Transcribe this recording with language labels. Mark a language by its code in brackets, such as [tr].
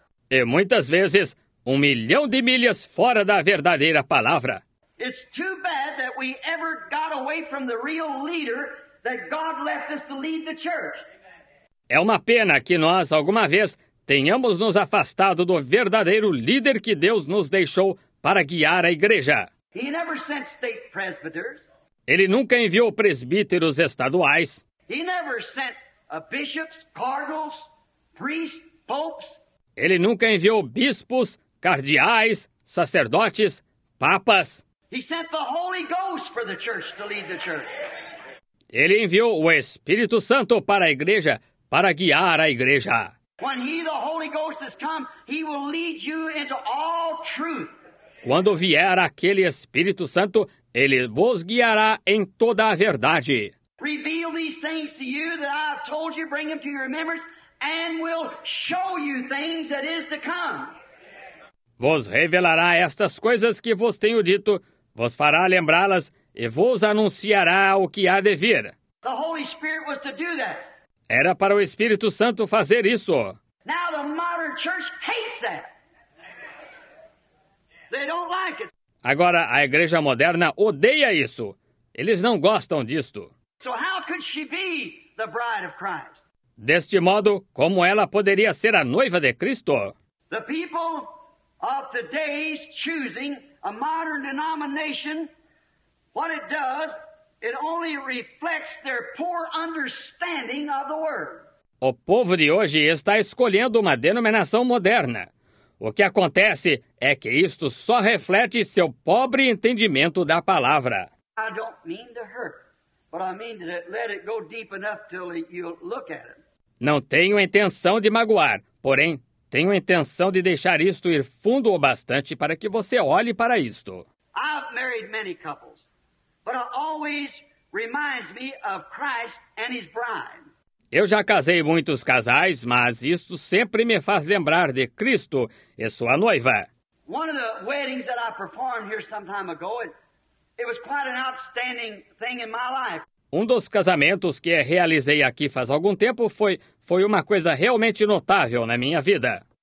[pt] E muitas vezes, 1 milhão de milhas fora da verdadeira palavra. [en] It's too bad that we ever got away from the real leader that God left us to lead the church. [pt] É uma pena que nós alguma vez tenhamos nos afastado do verdadeiro líder que Deus nos deixou para guiar a igreja. [en] He never sent state presbyters. [pt] Ele nunca enviou presbíteros estaduais. [en] He never sent bishops, cardinals, priests, popes. [pt] Ele nunca enviou bispos, cardeais, sacerdotes, papas. [en] He sent the Holy Ghost for the church to lead the church. [pt] Ele enviou o Espírito Santo para a igreja, para guiar a igreja. [en] When he, the Holy Ghost, has come, he will lead you into all truth. [pt] Quando vier aquele Espírito Santo, ele vos guiará em toda a verdade. [en] Reveal these things to you that I have told you, bring them to your remembrance, and will show you things that is to come. [pt] Vos revelará estas coisas que vos tenho dito, vos fará lembrá-las e vos anunciará o que há de vir. [en] The Holy Spirit was to do that. [pt] Era para o Espírito Santo fazer isso. [en] Now the modern church hates that. They don't like it. [pt] Agora, a igreja moderna odeia isso. Eles não gostam disto. [en] So how could she be the bride of Christ? [pt] Deste modo, como ela poderia ser a noiva de Cristo? [en] The people of today's choosing a modern denomination, what it does, it only reflects their poor understanding of the word. [pt] O povo de hoje está escolhendo uma denominação moderna. O que acontece é que isto só reflete seu pobre entendimento da palavra. [en] I don't mean to hurt, but I mean to let it go deep enough till you look at it. [pt] Não tenho intenção de magoar, porém tenho a intenção de deixar isto ir fundo o bastante para que você olhe para isto. [en] I've married many couples, but it always reminds me of Christ and his bride. [pt] Eu já casei muitos casais, mas isto sempre me faz lembrar de Cristo e sua noiva. [en] One of the weddings that I performed here some time ago, it was quite an outstanding thing in my life. [pt] Um dos casamentos que realizei aqui faz algum tempo foi uma coisa realmente notável na minha vida.